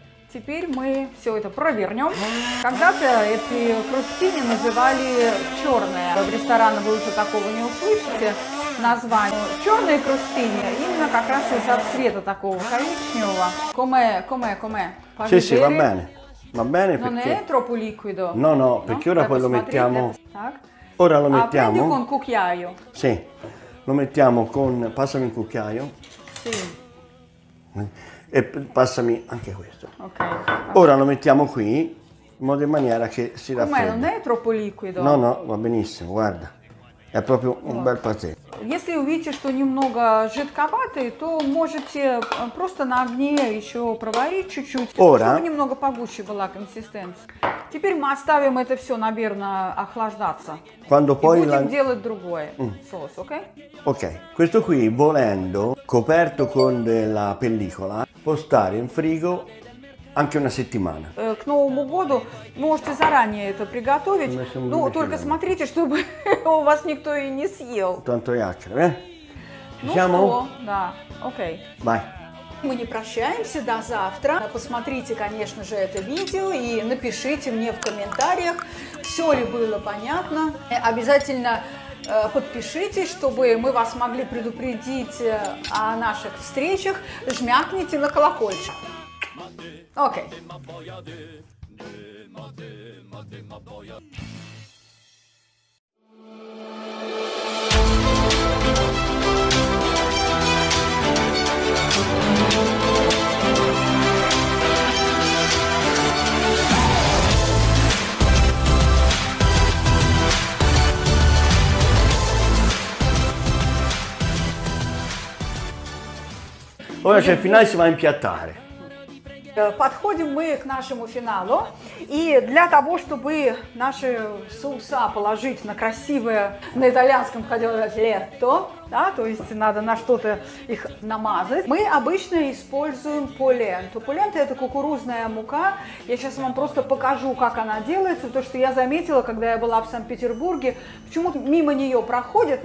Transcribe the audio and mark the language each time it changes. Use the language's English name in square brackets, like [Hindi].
[Russian] Теперь мы все это провернем. Когда-то эти фрустини называли черные. В ресторанах вы уже такого не услышите. Название черные крустини именно как раз из-за цвета такого коричневого. [Italian] Come Sì, sì, va bene. Va bene perché non è troppo liquido. No, perché ora poi lo mettiamo. Ora lo mettiamo. Prendi un cucchiaio. Sì. Lo mettiamo con passami un cucchiaio. Sì. E passami anche questo. Ok. Ora lo mettiamo qui in modo in maniera che si raffreddi. Ma non è troppo liquido. No, va benissimo, guarda. È proprio un bel patè. [Russian] Если увидите, что немного жидковатый, то можете просто на огне еще проварить чуть-чуть, [Italian] Ora. [Russian] Чтобы немного погуще была консистенция. Теперь мы оставим это все, наверное, охлаждаться. [Italian] Quando [Russian] и [Italian] poi [Russian] будем делать другой соус, окей? Окей. [Italian] Questo qui, volendo, coperto con della pellicola, può stare in frigo anche una settimana. [Russian] К Новому году можете заранее это приготовить. Ну, только смотрите, чтобы у вас никто и не съел. [Italian] Tanto chiacchiere, Ci siamo? [Russian] Да. Окей. [Italian] Vai. [Russian] Мы не прощаемся до завтра. Посмотрите, конечно же, это видео и напишите мне в комментариях, все ли было понятно. Обязательно подпишитесь, чтобы мы вас могли предупредить о наших встречах. Жмякните на колокольчик. Okay. [Italian] Ora c'è il finale, si va a impiattare. [Russian] Подходим мы к нашему финалу, и для того, чтобы наши соуса положить на красивое, на итальянском хотела сказать летто, да, то есть надо на что-то их намазать, мы обычно используем поленту. Полента – это кукурузная мука. Я сейчас вам просто покажу, как она делается, то, что я заметила, когда я была в Санкт-Петербурге, почему-то мимо нее проходят.